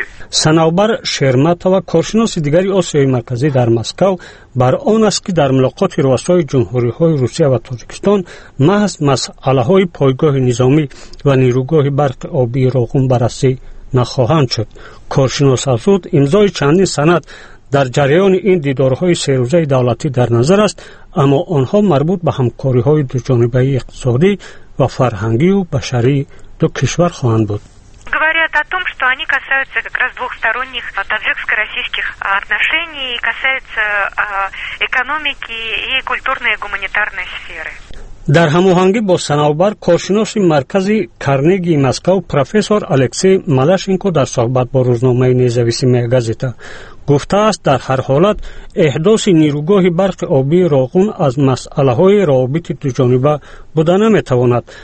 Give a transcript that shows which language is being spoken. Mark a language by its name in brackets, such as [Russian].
[Persian] سنابر شرمتوا کارشناس دیگری آسیای مرکزی در مسکو بر آن است که در ملاقات رؤسای جمهوری های روسیه و تاجیکستان محض مسئله های پایگاه نظامی و نیروگاه برق آبی راغون بررسی نخواهند شد. کارشناس افزود امضای چندین سند در جریان این دیدارهای سه روزه دولتی در نظر است، اما آنها مربوط به همکاری های دو جانبه اقتصادی و فرهنگی و بشری دو کشور خواهند بود. [Russian] говорят о том, что они касаются как раз двухсторонних таджикско-российских отношений и касаются экономики и культурной и гуманитарной сферы. [Persian] در هماهنگی با سناوبر کارشناس مرکز کارنگی مسکو پروفسور الکسی مالاشینکو در صحبت با روزنامه نیزویسی میگزیتا گفته است در هر حالت احداث نیروگاه برق آبی راغون از مسئله های رابط دو جانبه بوده نمیتواند.